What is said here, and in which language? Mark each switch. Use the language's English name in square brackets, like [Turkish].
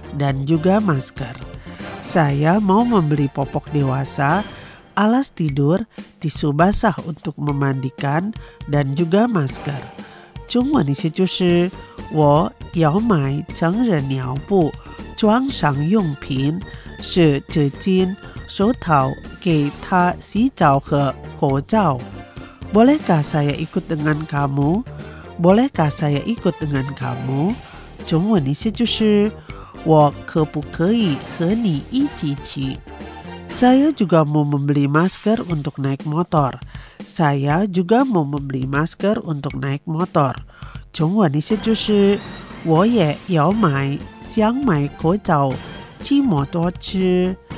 [Indonesian] dan juga masker. Saya mau membeli popok dewasa, alas tidur, tisu basah untuk memandikan, dan juga masker. [Chinese] 中文意思就是, 我要买成人尿布, 装上用品, 湿纸巾, 手套, 给他洗澡和 口罩. [Indonesian] Bolehkah saya ikut dengan kamu? Bolehkah saya ikut dengan kamu? [Chinese] 中文意思就是, 我可不可以和你一起去? [Indonesian] Saya juga mau membeli masker untuk naik motor. Saya juga mau membeli masker untuk naik motor. [Chinese] 中文意思就是, 我也要买口罩骑摩托车.